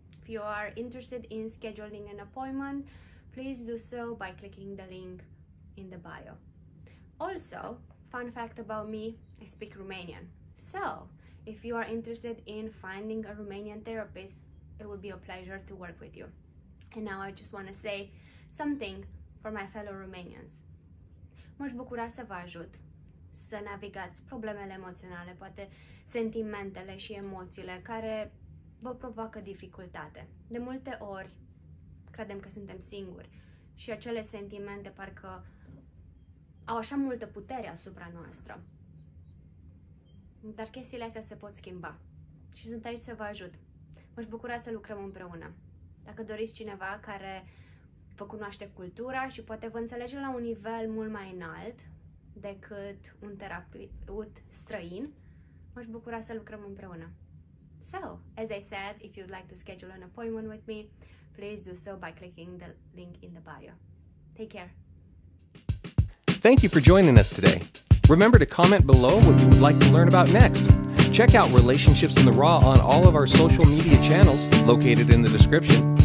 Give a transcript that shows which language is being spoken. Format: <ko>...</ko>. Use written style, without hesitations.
<en>If you are interested in scheduling an appointment, please do so by clicking the link in the bio. Also, fun fact about me, I speak Romanian. So, if you are interested in finding a Romanian therapist, it would be a pleasure to work with you. And now I just want to say something for my fellow Romanians.</en> <ro>M-aș bucura să vă ajut să navigați problemele emoționale, poate sentimentele și emoțiile care vă provoacă dificultate. De multe ori, credem că suntem singuri și acele sentimente parcă au așa multă putere asupra noastră. Dar chestiile astea se pot schimba și sunt aici să vă ajut. M-aș bucura să lucrăm împreună. Dacă doriți cineva care vă cunoaște cultura și poate vă înțelege la un nivel mult mai înalt decât un terapeut străin, m-aș bucura să lucrăm împreună.</ro> <en>So, as I said, if you'd like to schedule an appointment with me, please do so by clicking the link in the bio. Take care. Thank you for joining us today. Remember to comment below what you would like to learn about next. Check out Relationships in the Raw on all of our social media channels located in the description.</en>